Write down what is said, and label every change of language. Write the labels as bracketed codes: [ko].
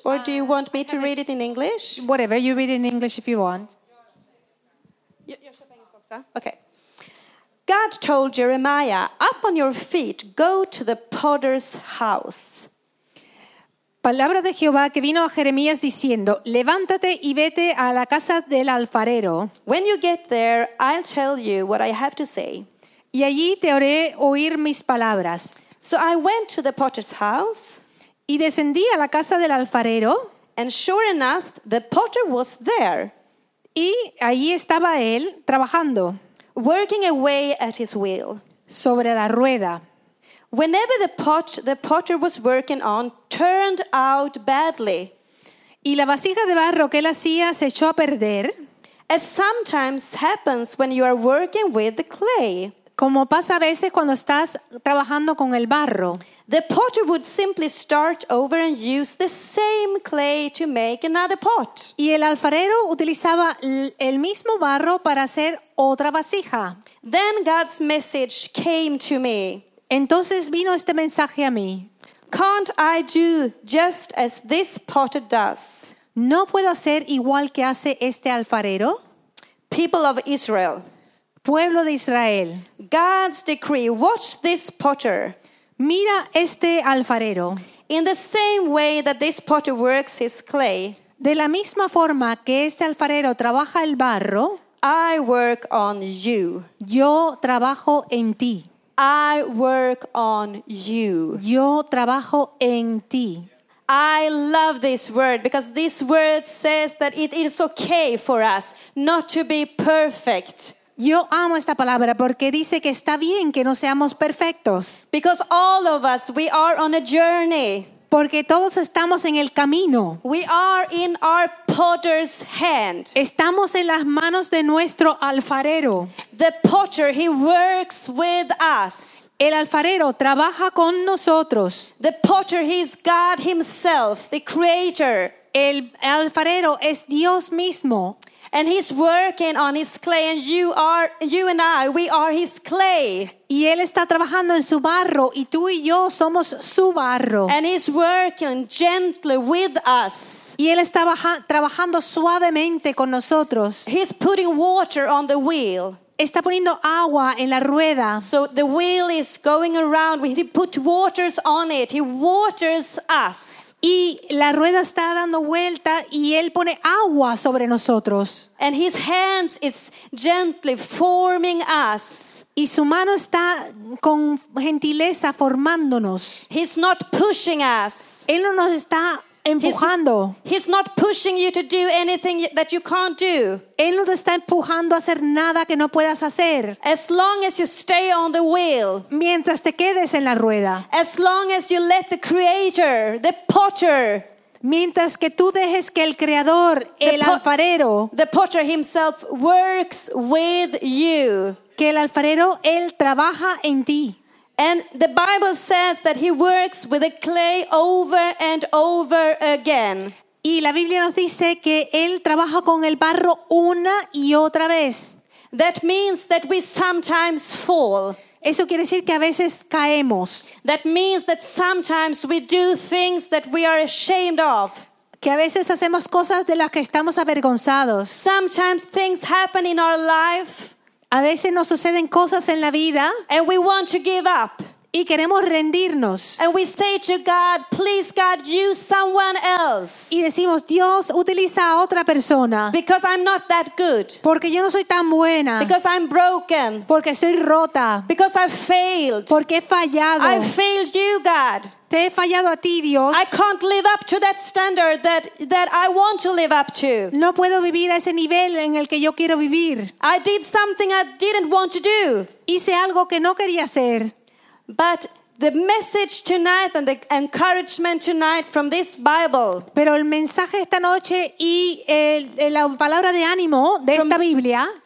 [en] Or do you want me to read it in English? Whatever, you read it in English if you want. Okay. God told Jeremiah, "Up on your feet, go to the potter's house." [es] Palabra de Jehová que vino a Jeremías diciendo, "Levántate y vete a la casa del alfarero." [en] When you get there, I'll tell you what I have to say. [es] Y allí te haré oír mis palabras. [en] So I went to the potter's house. [es] Y descendí a la casa del alfarero. [en] And sure enough, the potter was there. [es] Y allí estaba él trabajando. [en] Working away at his wheel. [es] Sobre la rueda. [en] Whenever the potter was working on turned out badly. [es] Y la vasija de barro que él hacía se echó a perder. [en] As sometimes happens when you are working with the clay. [es] Como pasa a veces cuando estás trabajando con el barro. [en] The potter would simply start over and use the same clay to make another pot. [es] Y el alfarero utilizaba el mismo barro para hacer otra vasija. [en] Then God's message came to me. [es] Entonces vino este mensaje a mí. [en] Can't I do just as this potter does? [es] ¿No puedo hacer igual que hace este alfarero? [en] People of Israel. [es] Pueblo de Israel. [en] God's decree, watch this potter. [es] Mira este alfarero. [en] In the same way that this potter works his clay, [es] de la misma forma que este alfarero trabaja el barro, [en] I work on you. [es] Yo trabajo en ti. [en] I work on you. [es] Yo trabajo en ti. [en] I love this word because this word says that it is okay for us not to be perfect. [es] Yo amo esta palabra porque dice que está bien que no seamos perfectos. [en] Because all of us, we are on a journey. [es] Porque todos estamos en el camino. [en] We are in our potter's hand. [es] Estamos en las manos de nuestro alfarero. [en] The potter, he works with us. [es] El alfarero trabaja con nosotros. [en] The potter, he is God himself, the creator. [es] El alfarero es Dios mismo. [en] And he's working on his clay, and you and I, we are his clay. [es] Y él está trabajando en su barro, y tú y yo somos su barro. [en] And he's working gently with us. [es] Y él está trabajando suavemente con nosotros. [en] He's putting water on the wheel. [es] Está poniendo agua en la rueda. [en] So the wheel is going around. He puts waters on it. He waters us. [es] Y la rueda está dando vuelta y él pone agua sobre nosotros. [en] And his hands is gently forming us. [es] Y su mano está con gentileza formándonos. [en] He's not pushing us. [es] Él no nos está empujando. [en] He's not pushing you to do anything that you can't do. [es] Él no te está empujando a hacer nada que no puedas hacer. [en] As long as you stay on the wheel. [es] Mientras te quedes en la rueda. [en] As long as you let the creator, the potter. [es] Mientras que tú dejes que el creador, el alfarero, [en] the potter himself works with you. [es] Que el alfarero, él trabaja en ti. [en] And the Bible says that he works with the clay over and over again. [es] Y la Biblia nos dice que él trabaja con el barro una y otra vez. [en] That means that we sometimes fall. [es] Eso quiere decir que a veces caemos. [en] That means that sometimes we do things that we are ashamed of. [es] Que a veces hacemos cosas de las que estamos avergonzados. [en] Sometimes things happen in our life. [es] A veces nos suceden cosas en la vida, [en] and we want to give up. [es] Y queremos rendirnos. [en] And we say to God, please God, use someone else. [es] Y decimos, Dios, utiliza a otra persona. [en] Because I'm not that good. [es] Porque yo no soy tan buena. [en] Because I'm broken. [es] Porque estoy rota. [en] Because I've failed. [es] Porque he fallado. [en] I've failed you, God. [es] Te he fallado a ti, Dios. [en] I can't live up to that standard that I want to live up to. [es] No puedo vivir a ese nivel en el que yo quiero vivir. [en] I did something I didn't want to do. [es] Hice algo que no quería hacer. [en] But the message tonight and the encouragement tonight from this Bible. [es] Pero el mensaje esta noche y la palabra de ánimo de esta Biblia.